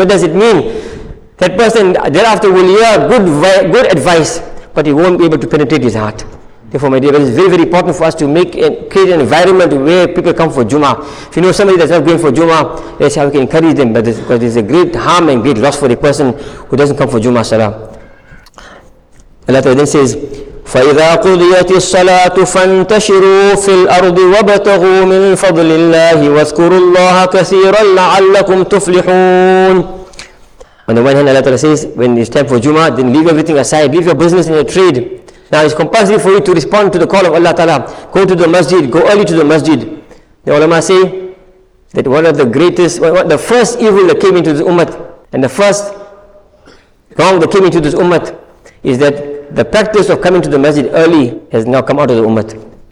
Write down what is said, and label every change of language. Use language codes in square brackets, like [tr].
[en] What does it mean? That person thereafter will hear good advice, but he won't be able to penetrate his heart. Therefore, my dear brothers, it's very, very important for us to create an environment where people come for Jumu'ah. If you know somebody that's not going for Jumu'ah, let's see how we can encourage them, brothers, because there's a great harm and great loss for a person who doesn't come for Jumu'ah Salah. Allah Ta'ala then says, [ar] فَإِذَا قُضِيَتِ الصَّلَاةُ فَانْتَشِرُوا فِي الْأَرْضِ وَابْتَغُوا مِنْ فَضْلِ اللَّهِ وَاذْكُرُوا اللَّهَ كَثِيرًا لَعَلَّكُمْ تُفْلِحُونَ. [en] On the one hand, Allah Ta'ala says, when it's time for Jumu'ah, then leave everything aside, leave your business and your trade. Now it's compulsory for you to respond to the call of Allah Ta'ala. Go to the masjid, go early to the masjid. The ulama say that one of the greatest, the first evil that came into this ummah, and the first wrong that came into this ummah, is that the practice of coming to the masjid early has now come out of the ummah.